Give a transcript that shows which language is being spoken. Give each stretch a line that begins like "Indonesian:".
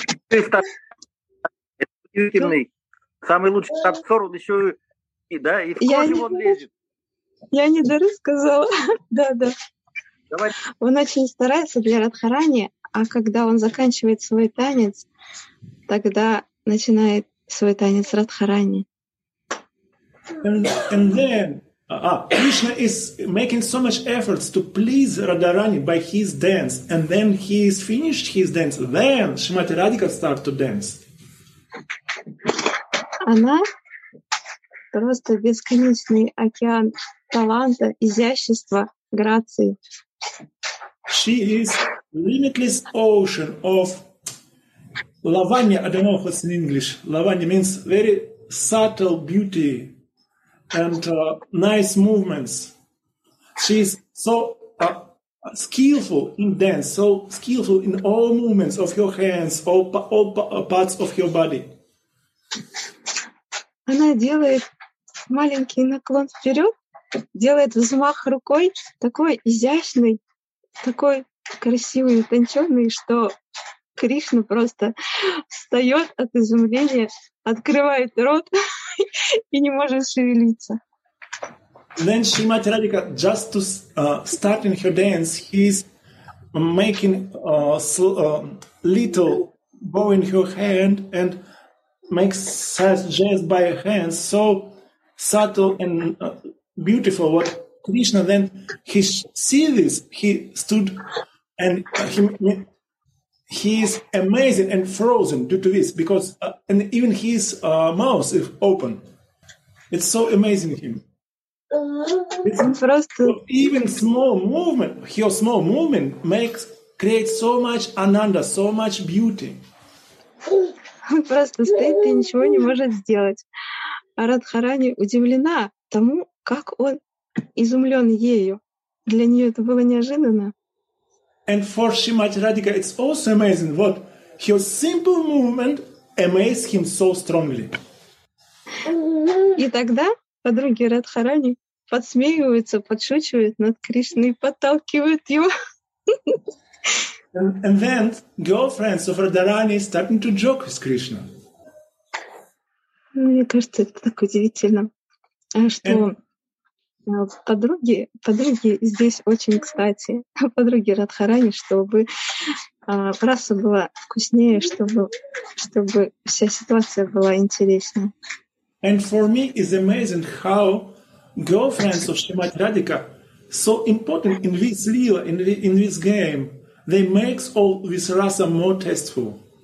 Russian: Надо удивительный, самый лучший танцор, он еще и да, и в коже он лезет. Я не дары сказала. Да, да. Он очень старается для Радхарани, а когда он заканчивает свой танец, тогда начинает свой танец Радхарани.
English: Krishna is making so much efforts to please Radharani by his dance, and then he is finished his dance. Then Shrimati Radhika starts to dance.
Russian: Она просто бесконечный океан таланта, изящества, грации.
English: She is limitless ocean of lavanya. I don't know what's in English. Lavanya means very subtle beauty. And nice movements. She's so skillful in dance, so skillful in all movements of your hands, all parts of your body.
Russian: Она делает маленький наклон вперед, делает взмах рукой, такой изящный, такой красивый, утонченный, что Кришна просто встает от изумления, открывает рот. И не может шевелиться.
English: Then Shrimati Radhika just to start in her dance, he's making little bow in her hand and makes such gest by her hands so subtle and beautiful. What Krishna then he see this, he stood and he is amazing and frozen due to this because and even his mouth is open. It's so amazing him. Even small movement creates so much ananda, so much beauty.
Russian: Он просто стоит и ничего не может сделать. А Радхарани удивлена тому, как он изумлен ею. Для нее это было неожиданно.
English: And for Shrimati Radhika, it's also amazing what her simple movement amazes him so strongly.
Russian: И тогда подруги Радхарани подсмеиваются, подшучивают над Кришной, подталкивают его.
English: And then girlfriends of Radharani starting to joke with Krishna.
Russian: Мне кажется, это так удивительно, что подруги здесь очень кстати, подруги Радхарани, чтобы раса была вкуснее, чтобы вся ситуация была интереснее.
English: And for me is amazing how girlfriends of Shrimati Radhika so important in this lila, in this game, they make all this rasa more tasteful.